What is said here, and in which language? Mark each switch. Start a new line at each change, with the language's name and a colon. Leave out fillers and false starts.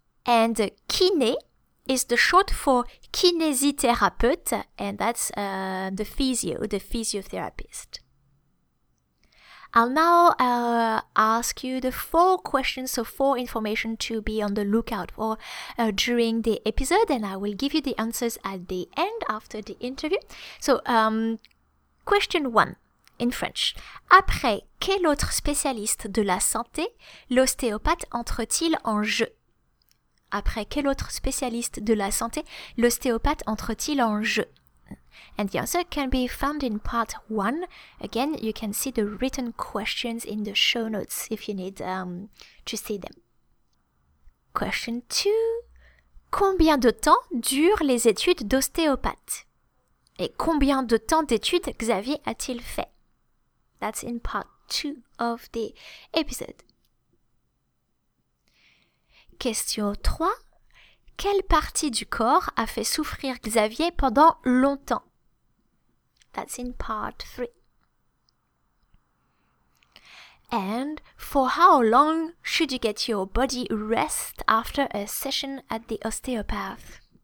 English: And kiné is the short for kinésithérapeute, and that's the physio, the physiotherapist. I'll now ask you the four questions, so four information to be on the lookout for during the episode, and I will give you the answers at the end after the interview. So, question one in French.
French: Après quel autre spécialiste de la santé l'ostéopathe entre-t-il en jeu? Après quel autre spécialiste de la santé l'ostéopathe entre-t-il en jeu?
English: And the answer can be found in part one. Again, you can see the written questions in the show notes if you need to see them. Question two.
French: Combien de temps durent les études d'ostéopathe? Et combien de temps d'études Xavier a-t-il fait?
English: That's in part two of the episode. Question three.
French: Quelle partie du corps a fait souffrir Xavier pendant longtemps?
English: That's in part three. And for how long should you get your body rest after a session at the osteopath?